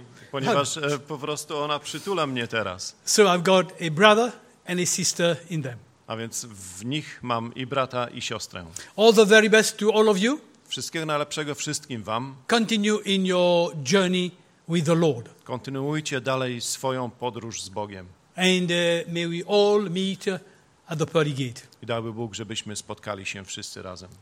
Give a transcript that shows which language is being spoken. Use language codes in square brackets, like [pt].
[pl] Ponieważ po prostu ona przytula mnie teraz. [en] So I've got a brother and a sister in them. [pl] A więc w nich mam i brata i siostrę. [en] All the very best to all of you. [pl] Wszystkiego najlepszego wszystkim wam. [en] Continue in your journey with the Lord. [pl] Kontynuujcie dalej swoją podróż z Bogiem. [en] And may we all meet at the pearly gate. [pl] I dałby Bóg, żebyśmy spotkali się wszyscy razem